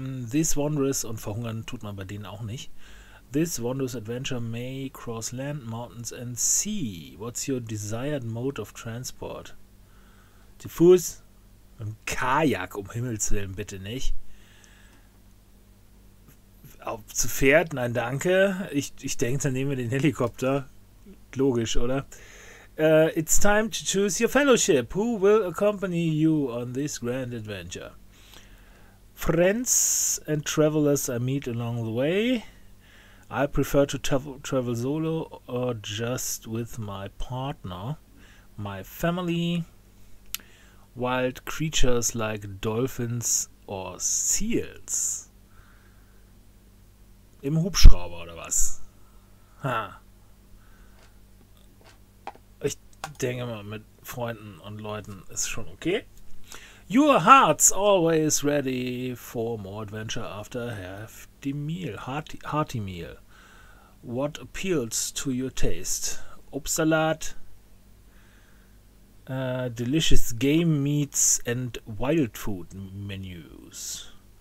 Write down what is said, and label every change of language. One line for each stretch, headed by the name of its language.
English: This wondrous,
German: und verhungern tut man bei denen auch nicht.
English: This wondrous adventure may cross land, mountains and sea. What's your desired mode of transport?
German: Zu Fuß? Im Kajak, um Himmels Willen, bitte nicht. Zu Pferd? Nein, danke. Ich denke, dann nehmen wir den Helikopter. Logisch, oder?
English: It's time to choose your fellowship. Who will accompany you on this grand adventure? Friends and travelers I meet along the way. I prefer to travel solo or just with my partner, my family, wild creatures like dolphins or seals.
German: Im Hubschrauber oder was? Ha. Denke mal, mit Freunden und Leuten ist schon okay.
English: Your heart's always ready for more adventure after a hefty meal. Hearty meal. What appeals to your taste? Obstsalat, delicious game meats and wild food menus.